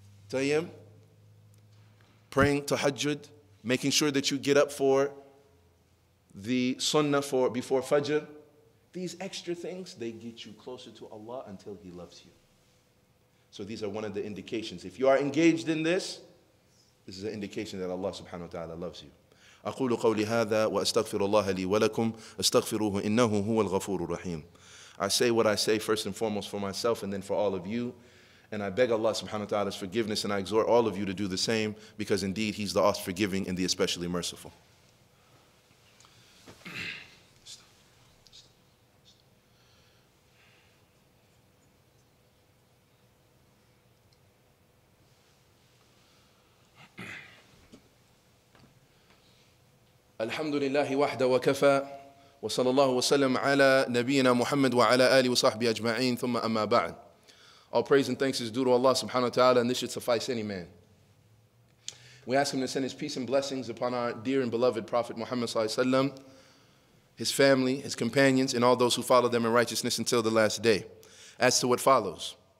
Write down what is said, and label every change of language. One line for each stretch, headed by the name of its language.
English: Tayyam, praying tahajjud, making sure that you get up for the sunnah for before Fajr. These extra things, they get you closer to Allah until He loves you. So these are one of the indications. If you are engaged in this, this is an indication that Allah subhanahu wa ta'ala loves you.
Arabic: أقول قولي هذا وأستغفر الله لي ولكم أستغفروه إنه هو الغفور الرحيم.
English: I say what I say first and foremost for myself and then for all of you. And I beg Allah subhanahu wa ta'ala's forgiveness and I exhort all of you to do the same because indeed He's the oft forgiving and the especially merciful.
Arabic: الحمد لله وحده وكفى وصلى الله وسلم على نبينا محمد وعلى آله وصحبه أجمعين ثم أما بعد.
English: All praise and thanks is due to Allah subhanahu wa ta'ala, and this should suffice any man. We ask Him to send His peace and blessings upon our dear and beloved Prophet Muhammad sallallahu alaihi wasallam, his family, his companions, and all those who follow them in righteousness until the last day. As to what follows.